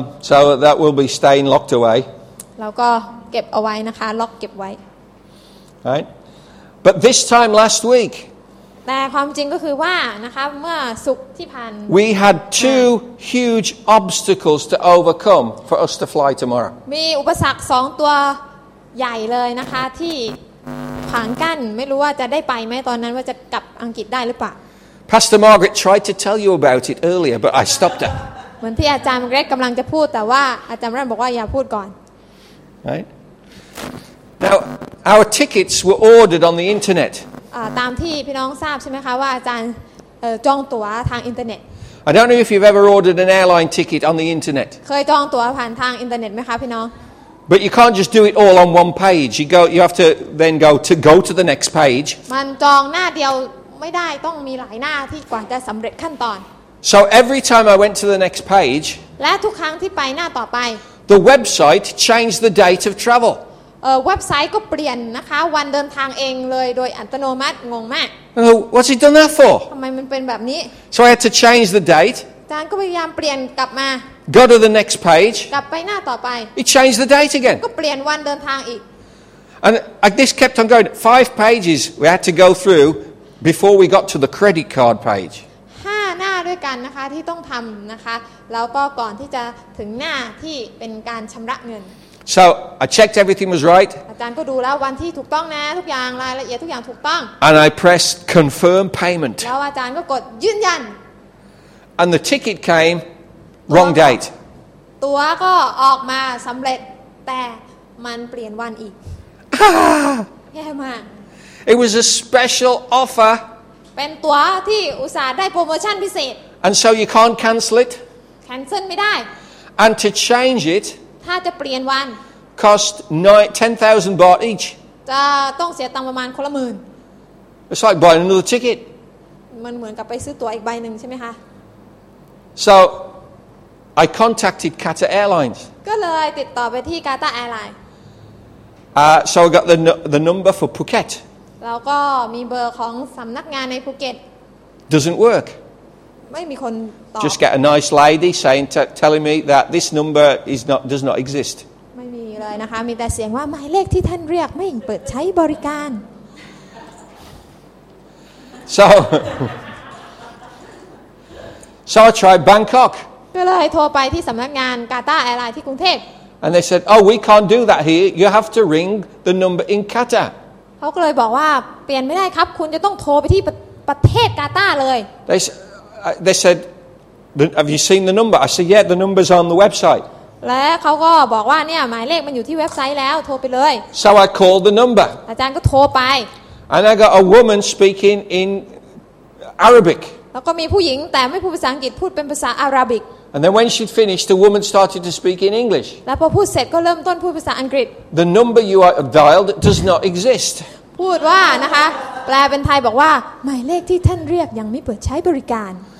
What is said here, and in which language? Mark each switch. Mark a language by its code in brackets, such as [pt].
[en] So that will be staying locked away [th] แล้วก็เก็บเอาไว้นะคะล็อกเก็บไว้ [en] Right But this time last week [th] แต่ความจริงก็คือว่านะคะเมื่อศุกร์ที่ผ่าน [en] We had two huge obstacles to overcome for us to fly tomorrow [th] มีอุปสรรค2ตัวใหญ่เลยนะคะที่ขวางกั้นไม่รู้ว่าจะได้ไปไหมตอนนั้นว่าจะกลับอังกฤษได้หรือเปล่า [en] Pastor Margaret tried to tell you about it earlier but I stopped her [th] เหมือนที่อาจารย์เกรกกำลังจะพูดแต่ว่าอาจารย์รันบอกว่าอย่าพูดก่อน [en] Right Now our tickets were ordered on the internet [th] ตามที่พี่น้องทราบใช่ไหมคะว่าอาจารย์จองตั๋วทางอินเทอร์เน็ต [en] I don't know if you've ever ordered an airline ticket on the internet [th] เคยจองตั๋วผ่านทางอินเทอร์เน็ตไหมคะพี่น้อง [en] But you can't just do it all on one page. You have to then go to the next page. [th] มันจองหน้าเดียวไม่ได้ต้องมีหลายหน้าที่กว่าจะสำเร็จขั้นตอน [en] So every time I went to the next page, [th] และทุกครั้งที่ไปหน้าต่อไป [en] the website changed the date of travel. [th] website ก็เปลี่ยนนะคะวันเดินทางเองเลยโดยอัตโนมัติงงมาก [en] What's he done that for [th] ทำไมมันเป็นแบบนี้ [en] So I had to change the date [th] อาจารย์ก็พยายามเปลี่ยนกลับมา [en] Go to the next page [th] กลับไปหน้าต่อไป [en] He changed the date again [th] ก็เปลี่ยนวันเดินทางอีก [en] And this kept on going 5 pages we had to go through before we got to the credit card page [th] กันนะคะที่ต้องทำนะคะแล้วก็ก่อนที่จะถึงหน้าที่เป็นการชำระเงิน [en] So I checked everything was right [th] อาจารย์ก็ดูแล้ววันที่ถูกต้องนะทุกอย่างรายละเอียดทุกอย่างถูกต้อง [en] And I pressed confirm payment [th] แล้วอาจารย์ก็กดยืนยัน [en] And the ticket came wrong date [th] ตัวก็ออกมาสำเร็จแต่มันเปลี่ยนวันอีกแย่มาก [en] It was a special offer [th] เป็นตั๋วที่อุตส่าห์ได้โปรโมชั่นพิเศษ [en] And so you can't cancel it [th] Cancel ไม่ได้ [en] And to change it [th] ถ้าจะเปลี่ยนวัน [en] Cost 10,000 baht each [th] จะต้องเสียตังค์ประมาณคนละหมื่น [en] It's like buying another ticket [th] มันเหมือนกับไปซื้อตั๋วอีกใบหนึ่งใช่ไหมคะ [en] So I contacted Qatar Airlines [th] ก็เลยติดต่อไปที่ Qatar Airline [en] So I got the number for Phuket [th] แล้วก็มีเบอร์ของสำนักงานในภูเก็ต [en] Doesn't work [th] ไม่มีคนตอบ [en] Just get a nice lady saying telling me that this number is not does not exist [th] ไม่มีเลยนะคะมีแต่เสียงว่าหมายเลขที่ท่านเรียกไม่เปิดใช้บริการ [en] So I tried Bangkok [th] ก็เลยโทรไปที่สำนักงานกาตาแอร์ไลน์ที่กรุงเทพ [en] And they said oh we can't do that here you have to ring the number in Qatar [th] เขาก็เลยบอกว่าเปลี่ยนไม่ได้ครับคุณจะต้องโทรไปที่ประเทศกาตาร์เลย [en] They said have you seen the number I said yeah the number's on the website [th] และเขาก็บอกว่าเนี่ยหมายเลขมันอยู่ที่เว็บไซต์แล้วโทรไปเลย [en] So I called the number [th] อาจารย์ก็โทรไป [en] And I got a woman speaking in Arabic [th] แล้วก็มีผู้หญิงแต่ไม่พูดภาษาอังกฤษพูดเป็นภาษาอาหรับ [en] And then when she'd finished the woman started to speak in English [th] แล้วพอพูดเสร็จก็เริ่มต้นพูดภาษาอังกฤษ [en] The number you are dialed does not exist [th] พูดว่านะคะแปลเป็นไทยบอกว่าหมายเลขที่ท่านเรียกยังไม่เปิดใช้บริการ